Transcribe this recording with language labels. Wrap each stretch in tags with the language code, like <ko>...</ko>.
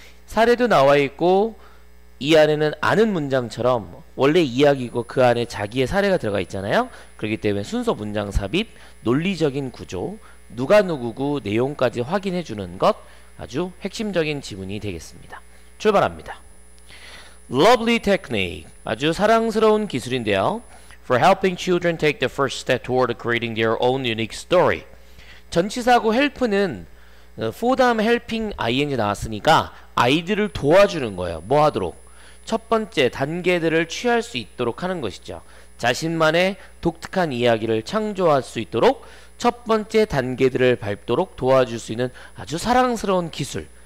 <ko>사례도 나와 있고 이 안에는 아는 문장처럼 원래 이야기고 그 안에 자기의 사례가 들어가 있잖아요. 그렇기 때문에 순서 문장 삽입, 논리적인 구조, 누가 누구고 내용까지 확인해 주는 것 아주 핵심적인 지문이 되겠습니다. 출발합니다.</ko> <en>Lovely technique.</en> <ko>아주 사랑스러운 기술인데요.</ko> <en>For helping children take the first step toward creating their own unique story.</en> <ko>전치사하고 help는 for 다음 helping ing 나왔으니까 아이들을 도와주는 거예요. 뭐 하도록? 첫 번째 단계들을 취할 수 있도록 하는 것이죠. 자신만의 독특한 이야기를 창조할 수 있도록 첫 번째 단계들을 밟도록 도와줄 수 있는 아주 사랑스러운 기술.</ko>